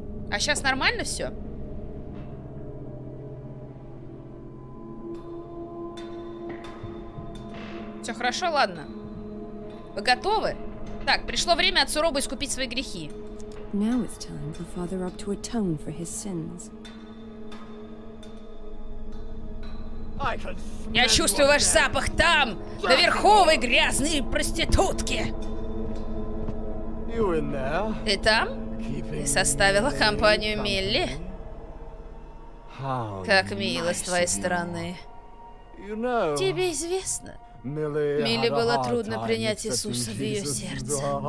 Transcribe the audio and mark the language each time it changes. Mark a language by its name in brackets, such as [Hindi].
[Russian] А сейчас нормально все? Все хорошо, ладно. Вы готовы? Так, пришло время от Цуробы искупить свои грехи. [English] Now it's time for Father Rob to atone for his sins. [Russian] Я чувствую ваш запах там, наверху, вы грязные проститутки. Ты там? Ты составила компанию Милли? Как мило с твоей стороны. Тебе известно, Милли было трудно принять Иисуса в ее сердце.